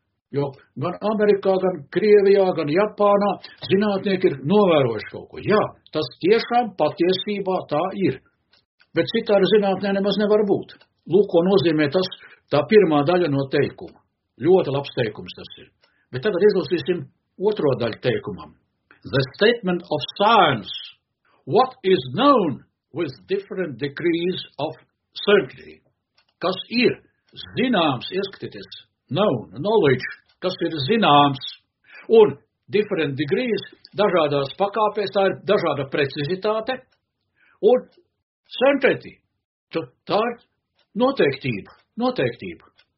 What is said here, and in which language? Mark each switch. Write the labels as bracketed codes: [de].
[lv] Jo gan Amerikā, gan Krievijā, gan Japānā zinātnieki ir novērojuši kaut ko. Jā, tas tiešām patiesībā tā ir. Bet citā ar zinātnē nemaz nevar būt. Lūk, ko nozīmē tas. Tā pirmā daļa no teikuma. Ļoti labs teikums tas ir. Bet tagad izlasīsim otro daļu teikumam. [en] The statement of science. What is known with different degrees of certainty? [lv] Kas ir zināms, ieskatieties, known, knowledge, kas ir zināms. Un [en] different degrees, [lv] dažādās pakāpēs, tā ir dažāda precizitāte. Un certainty, tā ir noteiktība. Noteiktība.